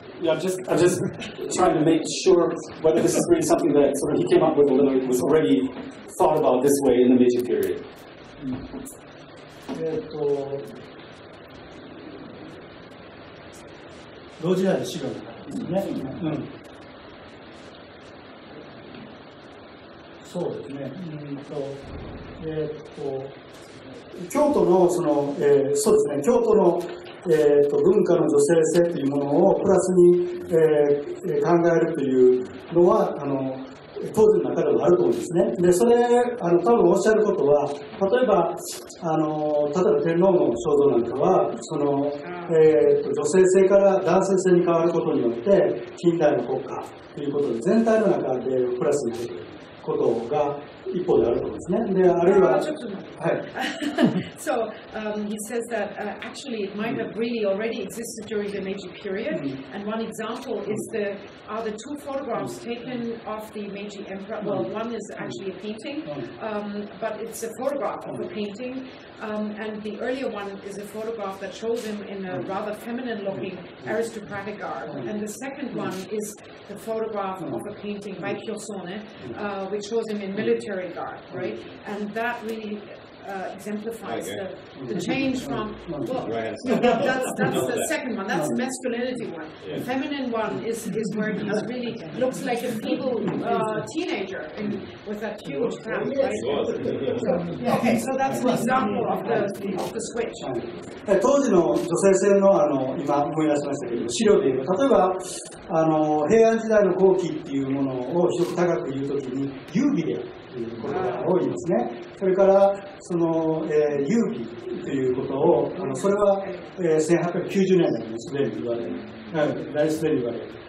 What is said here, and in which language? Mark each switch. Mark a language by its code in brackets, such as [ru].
[en] I'm just trying to make sure whether this is really something that sort of he came up with, or whether it was already thought about this way in the Meiji period. [ja] So, 文化の女性性というものをプラスに、考えるというのは当時の中ではあると思うんですね。で、それ多分おっしゃることは、例えば天皇の肖像なんかは、その、女性性から男性性に変わることによって近代の国家ということで全体の中でプラスになることが一方であるとですね。で、あるいは、ちょっと、はい。 [en] So, he says that actually it might have really already existed during the Meiji period. And one example is the, are the two photographs taken of the Meiji Emperor. Well, one is actually a painting, but it's a photograph of a painting. And the earlier one is a photograph that shows him in a rather feminine-looking aristocratic garb. And the second one is the photograph of a painting by Kyosone, which shows him in military garb, right? And that really exemplifies the change from, well, that's the second one, that's the masculinity one. The feminine one is where he really looks like a feeble teenager in, with that huge hand, right? Okay, so that's an example of the switch. [ja] 当時の女性戦の、 今思い出しましたけど、資料でいうと、例えば平安時代の後期っていうものを非常に高く言うときに、優美であるという言葉が多いんですね。それから、その、優美ということを、それは、1890年代にすでに言われる。すでに言われる。